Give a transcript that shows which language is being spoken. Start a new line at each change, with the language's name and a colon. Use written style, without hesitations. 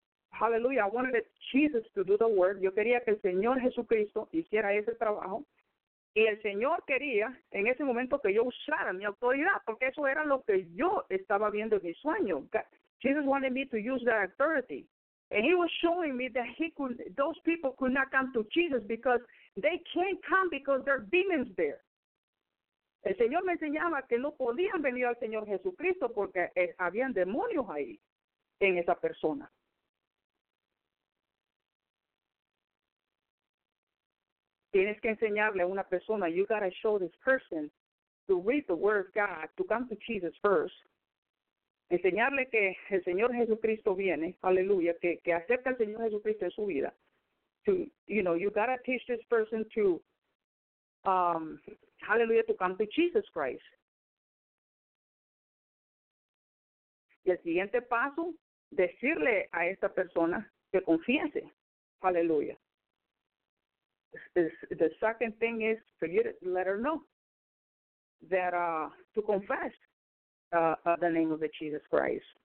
English: Hallelujah, I wanted Jesus to do the work.
Spanish: Yo quería que el Señor Jesucristo hiciera ese trabajo. Y el Señor quería en ese momento que yo usara mi autoridad, porque eso era lo que yo estaba viendo en mi sueño.
English: Jesus wanted me to use that authority. And he was showing me that those people could not come to Jesus because they can't come because there are demons there.
Spanish: El Señor me enseñaba que no podían venir al Señor Jesucristo porque habían demonios ahí en esa persona. Tienes que enseñarle a una persona,
English: you got to show this person to read the word of God, to come to Jesus first.
Spanish: Enseñarle que el Señor Jesucristo viene, aleluya, que acepta al Señor Jesucristo en su vida.
English: You got to teach this person to, hallelujah, to come to Jesus Christ.
Spanish: Y el siguiente paso, decirle a esta persona que confiese, aleluya.
English: The second thing is for you to let her know that to confess the name of the Jesus Christ.